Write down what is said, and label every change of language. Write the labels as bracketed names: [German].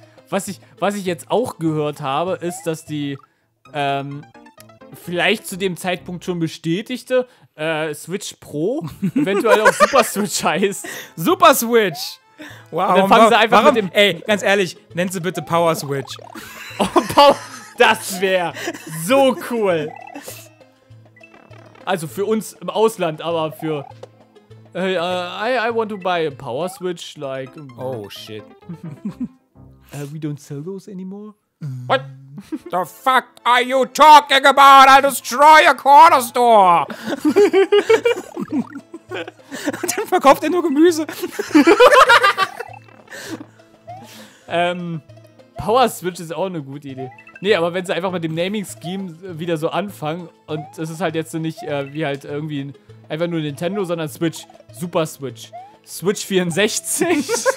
[German] Was ich jetzt auch gehört habe, ist, dass die vielleicht zu dem Zeitpunkt schon bestätigte Switch Pro eventuell auch Super Switch heißt. Super Switch! Wow, dann fangen sie einfach mit dem. Ey, ganz ehrlich, nennen sie bitte Power Switch. Das wäre so cool. Also für uns im Ausland, aber für. [English] I want to buy a Power Switch, like. Oh shit. We don't sell those anymore. What the fuck are you talking about? I'll destroy a corner store. [German] Dann verkauft er nur Gemüse. Power Switch ist auch eine gute Idee. Nee, aber wenn sie einfach mit dem Naming Scheme wieder so anfangen und es ist halt jetzt nicht wie halt irgendwie einfach nur Nintendo, sondern Switch, Super Switch, Switch 64.